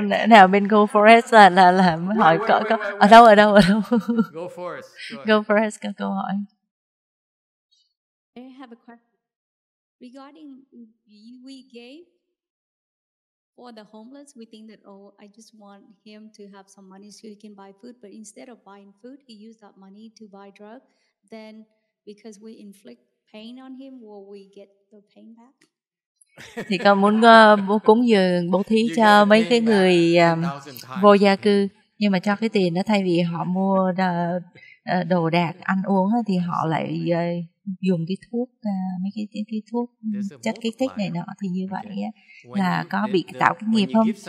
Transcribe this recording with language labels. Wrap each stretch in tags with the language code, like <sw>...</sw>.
<vi>Now bên</vi> <en>go for it</en> <vi>là mới hỏi có ở đâu?</vi> <en>Go for it. Go for it.</en> <vi>Có câu hỏi.</vi> <en>I have a question regarding we gave for the homeless. We think that I just want him to have some money so he can buy food. But instead of buying food, he used that money to buy drug. Then because we inflict pain on him, will we get the pain back?</en> <vi>Thì con muốn cúng dường bố thí cho mấy cái người vô gia cư, nhưng mà cho cái tiền đó thay vì họ mua đồ đạc ăn uống thì họ lại dùng cái thuốc mấy cái thuốc chất kích thích này nọ thì như vậy á, là có bị tạo cái nghiệp không?</vi>